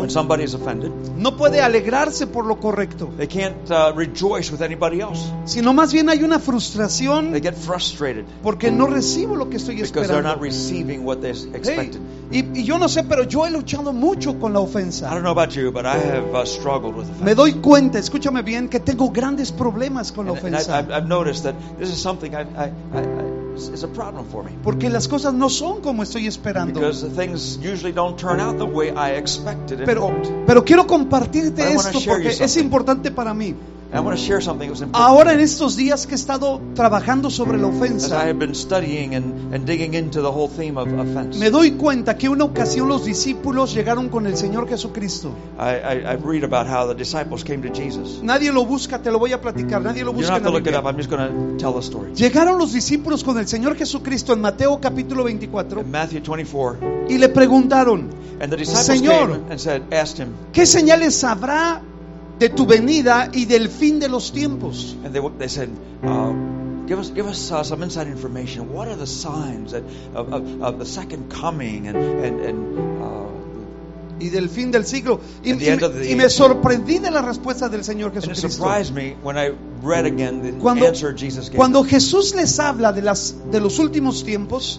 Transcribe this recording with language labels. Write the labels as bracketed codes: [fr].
[en] when somebody is offended, [es] no puede alegrarse por lo correcto. [en] They can't rejoice with anybody else. [es] Sino más bien hay una frustración. [en] They get frustrated. [es] Porque no recibo lo que estoy [en] because [es] esperando. [en] They're not receiving what they expected. [es] Hey, y yo no sé, pero yo he luchado mucho con la ofensa. [en] I don't know about you, but I have struggled with offense. [es] Me doy cuenta, escúchame bien, que tengo grandes problemas con la ofensa. [en] I've noticed that this is something it's a problem for me. [es] Porque las cosas no son como estoy esperando. [en] Because the things usually don't turn out the way I expected and hoped. [es] Pero quiero compartirte esto porque es importante para mí. [en] I want to share something that was important. [es] Ahora en estos días que he estado trabajando sobre la ofensa, [en] as I have been studying and digging into the whole theme of offense, [es] me doy cuenta que una ocasión los discípulos llegaron con el Señor Jesucristo. [en] I read about how the disciples came to Jesus. [es] Nadie lo busca, te lo voy a platicar. Nadie lo busca. [en] You don't have to look it up. I'm just going to tell the story. [es] Llegaron los discípulos con el Señor Jesucristo en Mateo capítulo 24. [en] In Matthew 24. [es] Y le preguntaron, [en] and the disciples [es] Señor, [en] came and said, asked him, [es] ¿qué señales habrá de tu venida y del fin de los tiempos? [en] And they said, give us some inside information. What are the signs of the second coming and [es] y del fin del siglo? Y me sorprendí de la respuesta del Señor Jesucristo. [en] And it surprised me when I read again the answer Jesus gave. [es] Cuando Jesús les habla de los últimos tiempos,